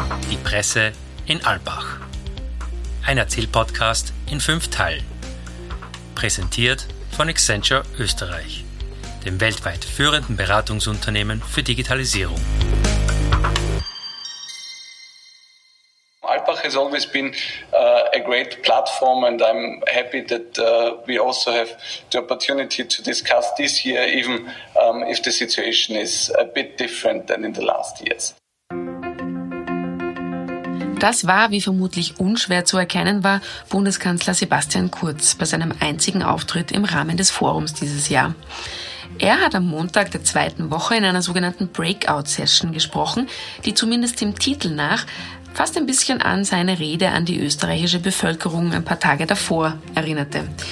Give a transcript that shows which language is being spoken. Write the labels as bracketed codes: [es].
[de] Die Presse in Albach. Ein Erzählpodcast in 5 Teilen. Präsentiert von Accenture Österreich, dem weltweit führenden Beratungsunternehmen für Digitalisierung. [en] Albach has always been a great platform, and I'm happy that we also have the opportunity to discuss this year, even if the situation is a bit different than in the last years. [de] Das war, wie vermutlich unschwer zu erkennen war, Bundeskanzler Sebastian Kurz bei seinem einzigen Auftritt im Rahmen des Forums dieses Jahr. Er hat am Montag der zweiten Woche in einer sogenannten Breakout-Session gesprochen, die zumindest dem Titel nach fast ein bisschen an seine Rede an die österreichische Bevölkerung ein paar Tage davor erinnerte.